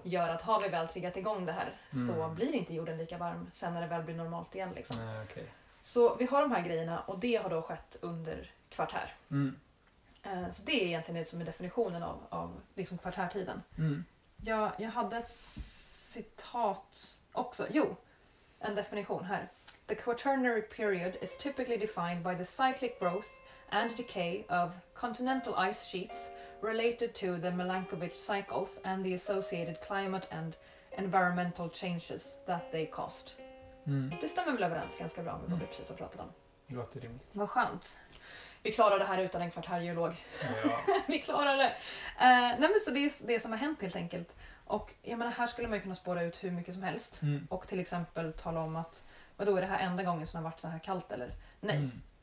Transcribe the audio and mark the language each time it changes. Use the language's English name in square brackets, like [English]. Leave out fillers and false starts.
[Swedish] Gör att har vi väl triggat igång det här så blir inte jorden lika varm sen när det väl blir normalt igen. Liksom. Nej, okay. Så vi har de här grejerna och det har då skett under kvartär. Mm. Så det är egentligen det som är definitionen av liksom kvartärtiden. Mm. Jag hade ett citat också. Jo, en definition här. [English] The quaternary period is typically defined by the cyclic growth and decay of continental ice sheets related to the Milankovitch cycles and the associated climate and environmental changes that they caused. Mm. [Swedish] Det stämmer väl överens ganska bra med vad vi precis har pratat om. Det låter rimligt. Vad skönt. Vi klarar det här utan en kvartärgeolog. Ja. Vi klarar det. Nej, men så det är det som har hänt helt enkelt. Och jag menar, här skulle man ju kunna spåra ut hur mycket som helst. Mm. Och till exempel tala om att, vadå, är det här enda gången som har varit så här kallt eller? Nej. Mm.